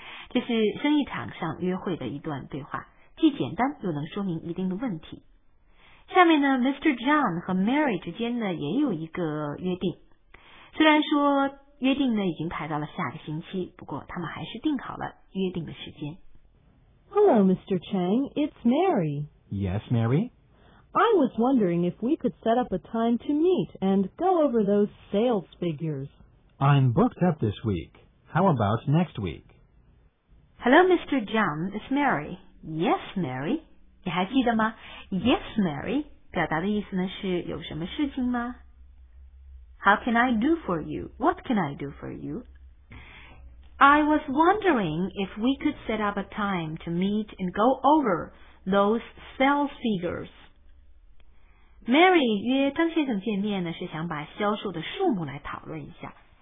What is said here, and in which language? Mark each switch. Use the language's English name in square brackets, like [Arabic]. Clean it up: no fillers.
[Chinese] 这是生意场上约会的一段对话，既简单又能说明一定的问题。下面呢 Mr. John 和 Mary 之间呢也有一个约定，虽然说约定呢已经排到了下个星期，不过他们还是定好了约定的时间。 [English] Hello, Mr. Chang. It's Mary. Yes, Mary. I was wondering if we could set up a time to meet and go over those sales figures. I'm booked up this week. How about next week? Hello, Mr. Zhang. It's Mary. Yes, Mary. [Chinese] 你还记得吗 ？ [English] Yes, Mary. [Chinese] 表达的意思呢是有什么事情吗 ？ [English] How can I do for you? What can I do for you? I was wondering if we could set up a time to meet and go over those sales figures. [Chinese] Mary 约张先生见面呢，是想把销售的数目来讨论一下。